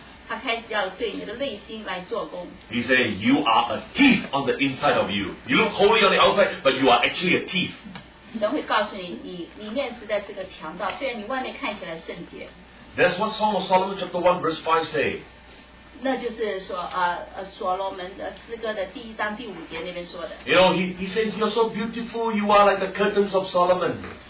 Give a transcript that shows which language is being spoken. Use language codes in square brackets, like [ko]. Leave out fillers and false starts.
[en] He says, you are a thief on the inside of you. You look holy on the outside, but you are actually a thief. That's what Song of Solomon chapter 1 verse 5 say. [zh] 那就是说，所罗门的诗歌的第一章第五节那边说的。 [en] You know, he says you're so beautiful, you are like the curtains of Solomon.